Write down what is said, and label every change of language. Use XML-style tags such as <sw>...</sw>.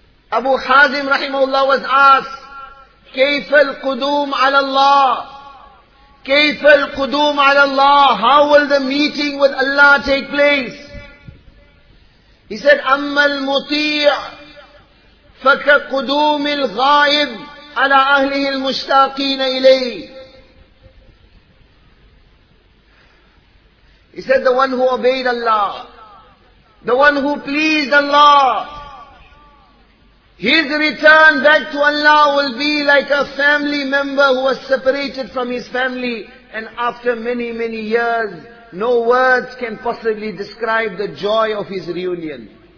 <en>Abu Hazim rahimahullah was asked,</en> <ar>كيف القدوم على الله? كيف القدوم على الله?</ar> <en>How will the meeting with Allah take place? He said,</en> <ar>أما المطيع فكقدوم الغائب على أهله المشتاقين إليه.</ar> <en>He said, the one who obeyed Allah, the one who pleased Allah, his return back to Allah will be like a family member who was separated from his family, and after many, many years, no words can possibly describe the joy of his reunion.</en>